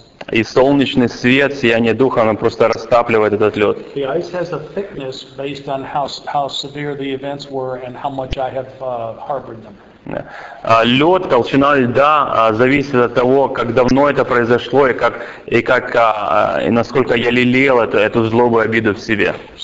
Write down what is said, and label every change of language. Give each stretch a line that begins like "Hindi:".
Russian: И солнечный свет, сияние Духа, оно просто растапливает этот лед.
English: The ice has a thickness based on how severe the events were and how much I have harbored them.
Russian: Лед, толщина льда зависит от того, как давно это произошло и как и насколько я лелеял эту злобу и обиду в себе.